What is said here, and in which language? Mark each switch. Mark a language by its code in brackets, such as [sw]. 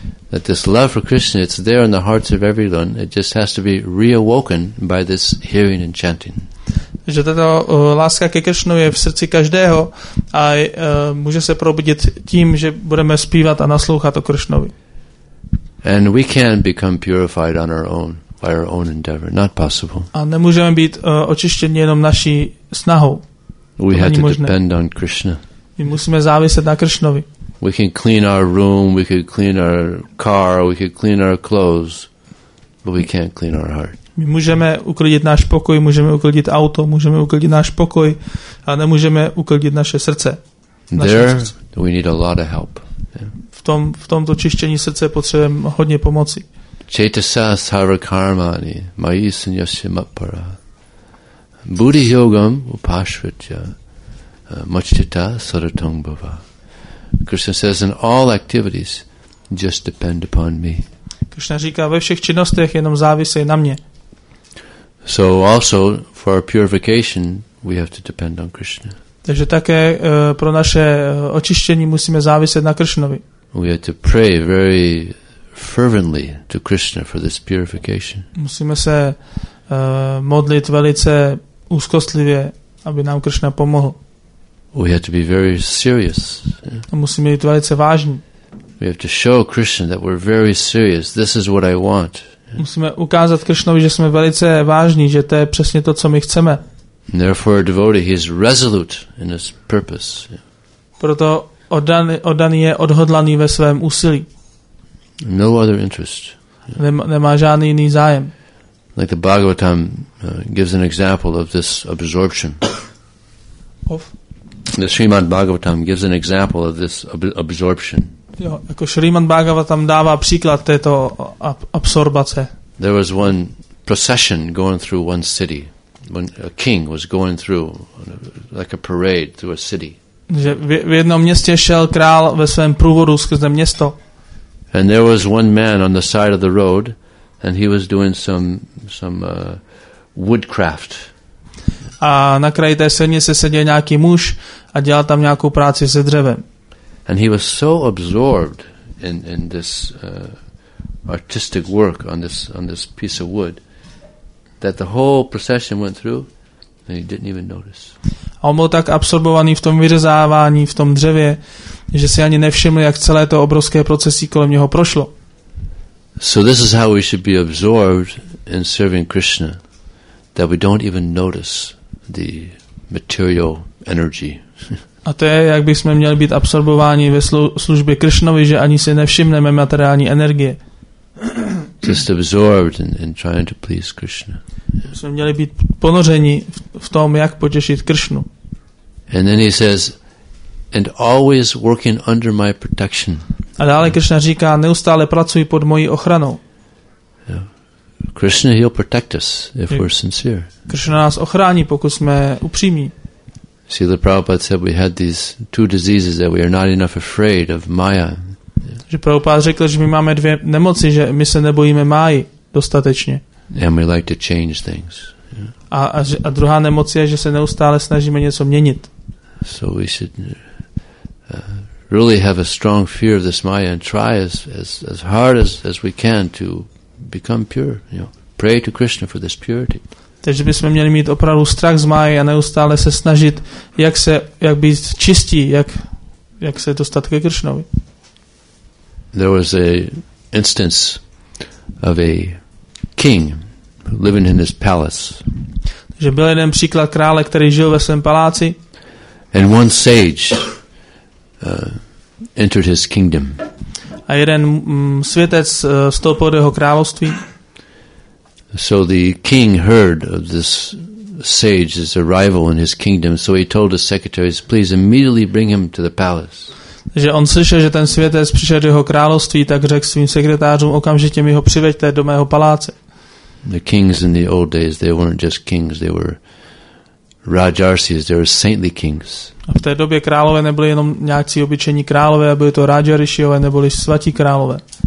[en] That this love for Krishna, it's there in the hearts of everyone. It just has to be reawoken by this hearing and chanting. [cs] Že tato láska ke Krishnovi je v srdci každého a může se probudit tím, že budeme zpívat a naslouchat o Krishnovi. [en] And we can become purified on our own, by our own endeavor. Not possible. [cs] A nemůžeme být očištěni jenom naší snahou. [en] We have to depend on Krishna. [cs] My musíme záviset na Krishnovi. [en] We can clean our room, we could clean our car, we could clean our clothes, but we can't clean our heart. [cs] My můžeme uklidit náš pokoj, můžeme uklidit auto, můžeme uklidit náš pokoj, a nemůžeme uklidit naše srdce. [en] There we need a lot of help. [cs] V tomto čištění srdce potřebujeme hodně pomoci. [sa] Chaitasya sarva karmani mayi sanyasya mapara Buddhi yogam upashvatya machchita saratang bhava. [en] Krishna says in all activities just depend upon me. [cs] Krishna říká, ve všech činnostech jenom závisej na mě. [en] So also for our purification we have to depend on Krishna. [cs] Takže také pro naše očištění musíme záviset na Krishnovi. [en] We have to pray very fervently to Krishna for this purification. [cs] Musíme se modlit velice úzkostlivě, aby nám Krishna pomohl. [en] We have to be very serious. [cs] Musíme být velice vážní. [en] We have to show Krishna that we're very serious. This is what I want. [cs] Musíme ukázat Krishnovi, že jsme velice vážní, že to je přesně to, co my chceme. [en] Therefore, a devotee he is resolute in his purpose. [cs] Proto oddaný je odhodlaný ve svém úsilí. [en] No other interest. [cs] Nemá žádný jiný zájem. [en] Like the Bhagavatam gives an example of this absorption. Of. The Srimad Bhagavatam gives an example of this absorption. [cs] Jo, jako Srimad Bhagavatam dává příklad této absorbace. [en] There was one procession going through one city. When a king was going through like a parade through a city. [cs] Že v jednom městě šel král ve svém průvodu skrze město. [en] And there was one man on the side of the road and he was doing some woodcraft. [cs] A na kraji té silnice seděl nějaký muž a dělal tam nějakou práci se dřevem. [en] And he was so absorbed in this artistic work on this piece of wood that the whole procession went through and he didn't even notice. [cs] A on byl tak absorbovaný v tom vyřezávání v tom dřevě, že si ani nevšiml, jak celé to obrovské procesí kolem něho prošlo. [en] So this is how we should be absorbed in serving Krishna, that we don't even notice the material energy. [cs] A to je, jak bychom měli být absorbováni ve službě Krishnovi, že ani si nevšimneme materiální energie. [en] Just absorbed in trying to please Krishna. [cs] Jsme měli být ponořeni v tom, jak potěšit Krishnu. [en] And then he says, and always working under my protection. [cs] A dále Krishna říká, neustále pracuj pod mojí ochranou. [en] Yeah. Krishna, he'll protect us if we're sincere. [cs] Krishna nás ochrání, pokud jsme upřímní. [en] Srila Prabhupada said we had these two diseases that we are not enough afraid of Maya. [cs] Že Prabhupada řekl, že my máme dvě nemoci, že my se nebojíme Máji dostatečně. [en] And we like to change things. Yeah. [cs] A druhá nemoc je, že se neustále snažíme něco měnit. [en] So we should really have a strong fear of this Maya and try as hard as we can to become pure, you know. Pray to Krishna for this purity. [cs] Takže bychom měli mít opravdu strach z Máji a neustále se snažit, jak být čistí, jak se dostat ke Krishnovi. [en] There was a instance of a king living in his palace. [cs] Takže byl jeden příklad krále, který žil ve svém paláci. [en] And one sage entered his kingdom. [cs] A jeden světec vstoupil do jeho království. [en] So the king heard of this sage's arrival in his kingdom, so he told his secretaries, please immediately bring him to the palace. [cs] Že on slyšel, že ten světec přišel do jeho království, tak řekl svým sekretářům, okamžitě mi ho přiveďte do mého paláce. [en] The kings in the old days, they weren't just kings, they were Rajarsis, they were saintly kings. [cs] A v té době králové nebyli jenom nějací obyčejní králové, byli to Rajarishiové, neboli svatí králové.